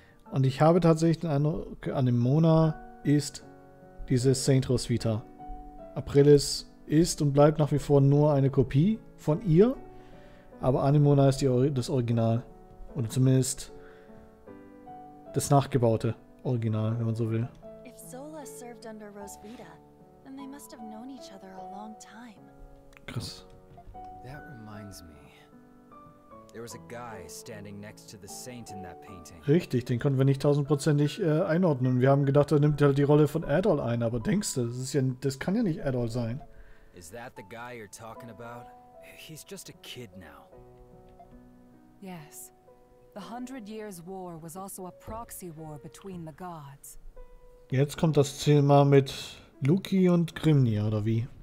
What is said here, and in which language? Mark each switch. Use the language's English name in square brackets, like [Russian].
[German] Und ich habe tatsächlich den Eindruck, Anemona ist diese Saint Rosvita. Aprilis ist und bleibt nach wie vor nur eine Kopie von ihr, aber Anemona ist das Original. Oder zumindest das nachgebaute Original, wenn man so will. [English] If Zola served under Rosvita, then they must have known each other a long time. [German] Krass. [English] That reminds me. There was a guy standing next to the saint in that painting. [German] Richtig, den konnten wir nicht tausendprozentig einordnen. Wir haben gedacht, er nimmt halt die Rolle von Adol ein, aber denkst du, das kann ja nicht Adol sein. [English] Is that the guy you're talking about? He's just a kid now. Yes. The Hundred Years' War was also a proxy war between the gods. [German] Jetzt kommt das Thema mit Luki und Grimni, oder wie?